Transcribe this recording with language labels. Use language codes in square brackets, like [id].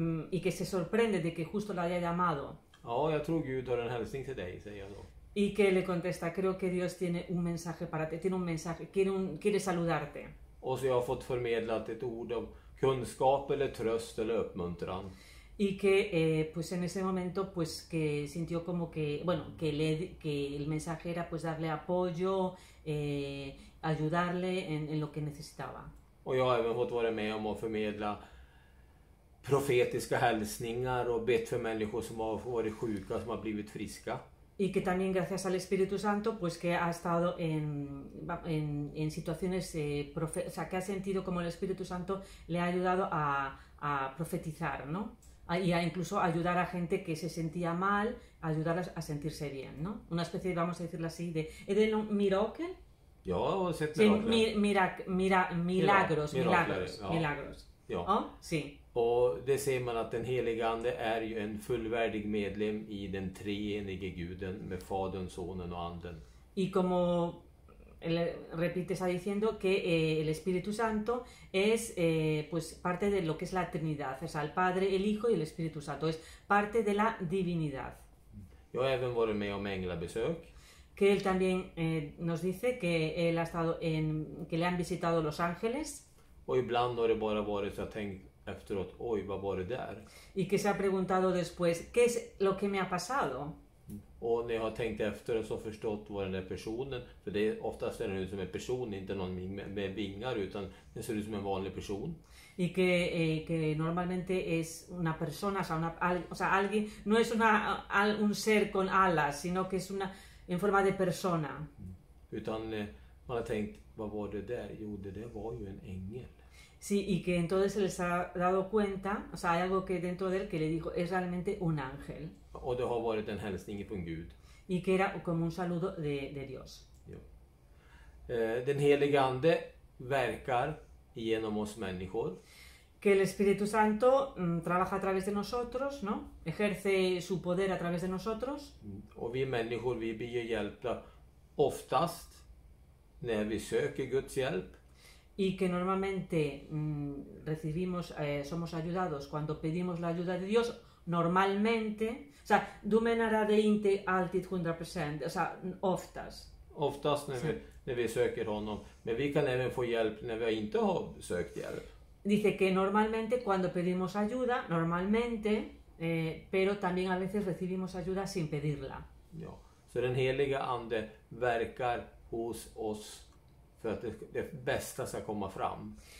[es] Y que se sorprende de que justo la haya llamado. [sv] Ja, jag tror Gud har en hälsning till dig, säger jag då. [es] Y que le contesta, creo que Dios tiene un mensaje para ti, tiene un mensaje, quiere saludarte. [sv] Och så jag har fått förmedlat ett ord av kunskap eller tröst eller uppmuntran. [es] Y que pues en ese momento pues que sintió como que bueno que el mensaje era pues darle apoyo ayudarle en lo que necesitaba. [sv] Och jag har även fått vara med om att förmedla profetiska hälsningar och bett för människor som har varit sjuka som har blivit friska. [es] Y que también gracias al Espíritu Santo pues que ha estado en situaciones o sea que ha sentido como el Espíritu Santo le ha ayudado a profetizar, ¿no? Y a incluso ayudar a gente que se sentía mal, ayudarlas a sentirse bien, ¿no? Una especie, vamos a decirlo así, de ¿eres un miracle? Yo, sí, milagros, milagros. Sí. [sv] Och det ser man att den helige ande är ju en fullvärdig medlem i den treenige guden med fadern, sonen och anden. [es] Y como él repite está diciendo que el Espíritu Santo es pues parte de lo que es la Trinidad, es al Padre, el Hijo y el Espíritu Santo, es parte de la divinidad. [sv] Jag har även varit med om änglabesök. [es] Que él también nos dice que él ha estado en que le han visitado los ángeles. [sv] Och ibland har det bara varit så jag tänkt efteråt, oj vad var det där? [es] Y que se ha preguntado después qué es lo que me ha pasado. [sv] Och när jag har tänkt efter och så förstått vad den där personen, för det är oftast ser den ut som en person, inte någon med vingar, utan den ser ut som en vanlig person. [es] Y que normalmente es una persona, o sea, alguien, no es un ser con alas, sino que es una en forma de persona. [sv] Utan man har tänkt, vad var det där? Jo, det där var ju en ängel. [es] Sí, y que entonces se les ha dado cuenta, o sea, hay algo que dentro de él que le dijo, es realmente un ángel. [sv] Och det har varit en hälsning från Gud. [es] Y que era como un saludo de Dios. [sv] Ja. Den helige ande verkar genom oss människor. [es] Que el Espíritu Santo trabaja a través de nosotros, ¿no? Ejerce su poder a través de nosotros. [sv] Och vi människor, vi blir hjälpta oftast när vi söker Guds hjälp. [es] Y que normalmente recibimos, somos ayudados cuando pedimos la ayuda de Dios, normalmente, o sea, [sv] dumenara de inte alltid 100%, [es] o sea, oftast. [sv] Oftast när vi söker honom, men vi kan även få hjälp när vi inte har sökt hjälp. [es] Dice que normalmente cuando pedimos ayuda, normalmente, pero también a veces recibimos ayuda sin pedirla. [sv] Ja, så den heliga ande verkar hos oss. För att det bästa ska komma fram.